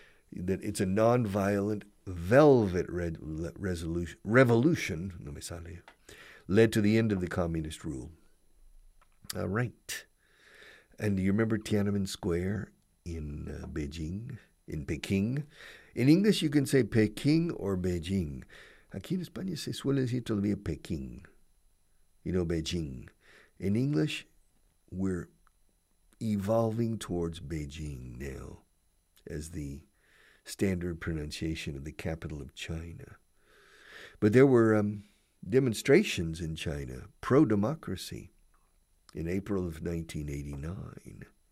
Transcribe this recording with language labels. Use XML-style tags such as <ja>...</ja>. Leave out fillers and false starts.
<en>It's a nonviolent Velvet revolution,</en> <es>no me sale,</es> <en>led to the end of the communist rule. All right. And do you remember Tiananmen Square in Beijing? In Peking? In English, you can say Peking or Beijing.</en> <es>Aquí en España se suele decir todavía Peking.</es> <en>You know, Beijing. In English, we're evolving towards Beijing now as the standard pronunciation of the capital of China. But there were demonstrations in China, pro-democracy, in April of 1989.</en>